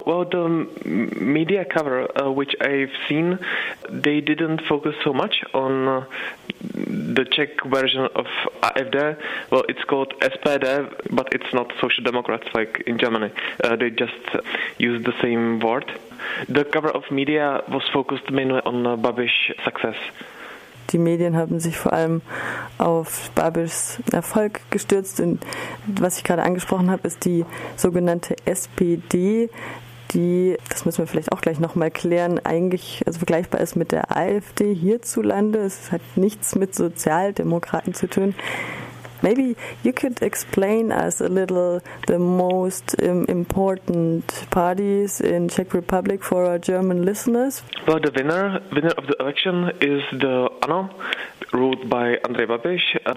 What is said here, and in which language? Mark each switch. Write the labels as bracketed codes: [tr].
[en] The media cover which I've seen, they didn't focus so much on the Czech version of AfD. Well, it's called SPD, but it's not Social Democrats like in Germany. They just use the same word. The cover of media was focused mainly on Babiš' success. [de] Die Medien haben sich vor allem auf Babiš' Erfolg gestürzt. Und was ich gerade angesprochen habe, ist die sogenannte SPD, die, das müssen wir vielleicht auch gleich nochmal klären, eigentlich also vergleichbar ist mit der AfD hierzulande. Es hat nichts mit Sozialdemokraten zu tun. [en] Maybe you could explain us a little the most important parties in Czech Republic for our German listeners. Well, the winner of the election is the ANO, ruled by Andrej Babiš.